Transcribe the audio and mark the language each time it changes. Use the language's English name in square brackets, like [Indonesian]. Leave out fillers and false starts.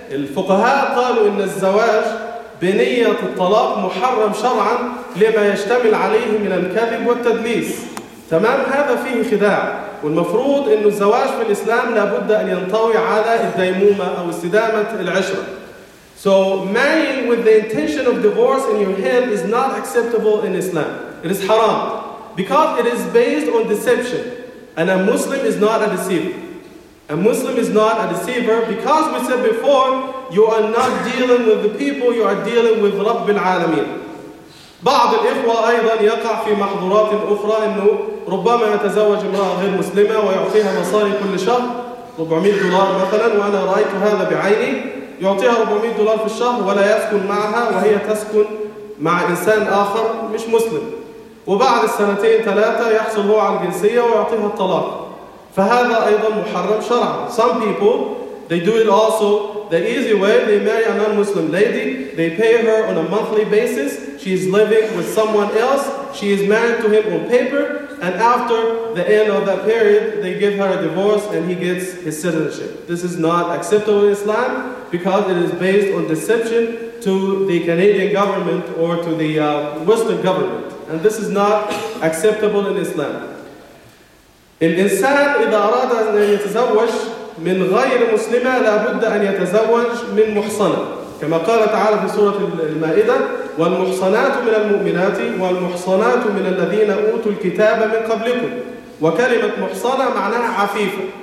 [Arabic] الفقهاء قالوا إن الزواج بنية الطلاق محرم شرعا لما يشتمل عليه من الكذب والتدليس. تمام؟ هذا فيه خداع. والمفروض إنه الزواج في الإسلام لابد أن ينطوي على الديمومة أو استدامة العشرة. [English] So marrying with the intention of divorce in your head is not acceptable in Islam. It is haram because it is based on deception. And a Muslim is not a deceiver. A Muslim is not a deceiver because we said before, you are not dealing with the people, you are dealing with [Arabic] رب العالمين. بعض الإخوة أيضا يقع في محظورات أخرى أنه ربما يتزوج امرأة غير مسلمة ويعطيها مصاري كل شهر $400 مثلا وأنا رأيت هذا بعيني يعطيها $400 في الشهر ولا يسكن معها وهي تسكن مع إنسان آخر مش مسلم وبعد السنتين ثلاثة يحصل هو على الجنسية ويعطيها الطلاق فهذا أيضا محرم شرعا. [English] Some people, they do it also the easy way. They marry a non-Muslim lady, they pay her on a monthly basis, she is living with someone else, she is married to him on paper, and after the end of that period, they give her a divorce and he gets his citizenship. This is not acceptable in Islam because it is based on deception to the Canadian government or to the Western government. And this is not acceptable in Islam. [Arabic] الإنسان إذا أراد أن يتزوج من غير مسلمة لابد أن يتزوج من محصنة كما قال تعالى في سورة المائدة والمحصنات من المؤمنات والمحصنات من الذين أوتوا الكتاب من قبلكم وكلمة محصنة معناها عفيفة